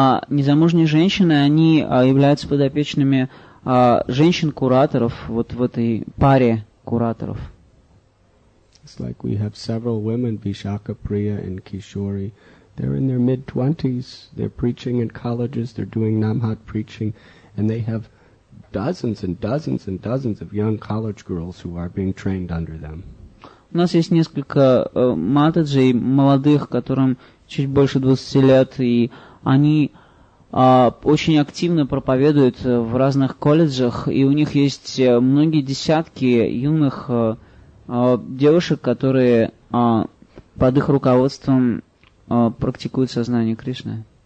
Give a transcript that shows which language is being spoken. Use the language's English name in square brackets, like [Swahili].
[Russian] Незамужние женщины, они являются подопечными женщин-кураторов вот в этой паре кураторов. [English] It's like we have several women, Vishakha, Priya, and Kishori. They're in their mid-20s. They're preaching in colleges. They're doing namhat preaching, and they have dozens and dozens and dozens of young college girls who are being trained under them. [Russian] У нас есть несколько матаджей молодых, которым чуть больше 20 лет, и они очень активно проповедуют в разных колледжах, и у них есть многие десятки юных девушек, которые под их руководством практикуют сознание Кришны.